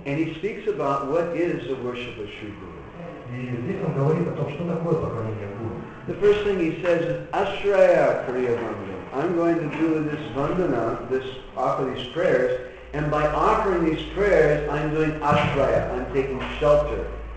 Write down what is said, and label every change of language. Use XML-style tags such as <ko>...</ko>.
<en>And he speaks about what is the worship of Shri Guru.</en> <ru>И здесь он говорит о том, что такое поклонение Гуру.</ru> <en>The first thing he says is, Ashraya Kriya Vandana. I'm going to do this Vandana, this offer these prayers, and by offering these prayers, I'm doing ashraya, I'm taking shelter.</en>